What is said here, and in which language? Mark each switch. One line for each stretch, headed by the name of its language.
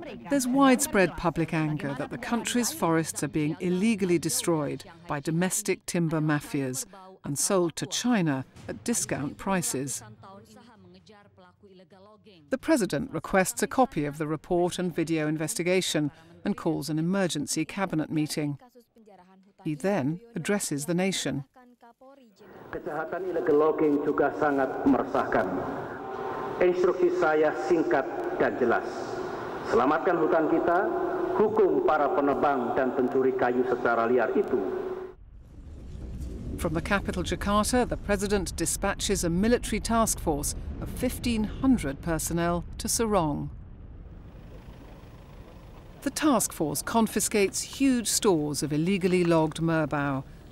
English: There's widespread public anger that the country's forests are being illegally destroyed by domestic timber mafias and sold to China at discount prices. The president requests a copy of the report and video investigation and calls an emergency cabinet meeting. He then addresses the nation.
Indonesian: Kejahatan illegal logging juga sangat meresahkan. Instruksi saya singkat dan jelas. Selamatkan hutan kita, hukum para penebang dan pencuri kayu secara liar itu.
English: From the capital, Jakarta, the president dispatches a military task force of 1,500 personnel to Sarong. The task force confiscates huge stores of illegally logged merbau